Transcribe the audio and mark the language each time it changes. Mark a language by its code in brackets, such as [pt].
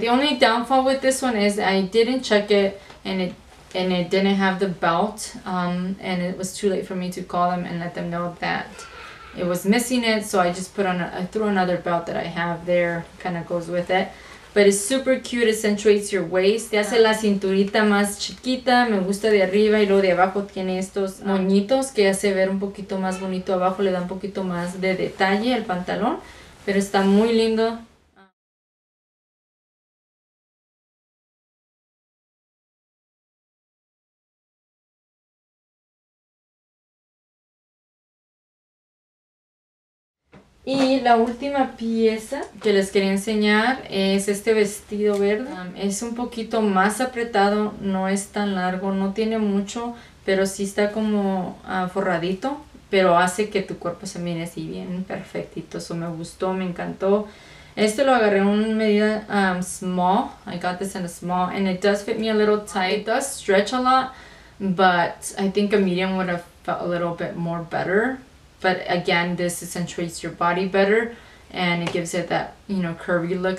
[en] The only downfall with this one is I didn't check it, and it didn't have the belt, and it was too late for me to call them and let them know that it was missing it. So I just put on I threw another belt that I have there, kind of goes with it. But it's super cute, accentuates your waist. [es] Te hace la cinturita más chiquita, me gusta de arriba, y luego de abajo tiene estos moñitos que hace ver un poquito más bonito abajo, le da un poquito más de detalle al pantalón, pero está muy lindo. Y la última pieza que les quería enseñar es este vestido verde. Es un poquito más apretado, no es tan largo, no tiene mucho, pero sí está como forradito, pero hace que tu cuerpo se mire así bien perfectito. Eso me gustó, me encantó. Este lo agarré en una medida small. [en] I got this in a small, and it does fit me a little tight. It does stretch a lot, but I think a medium would have felt a little bit more better. But again, this accentuates your body better, and it gives it that, you know, curvy look.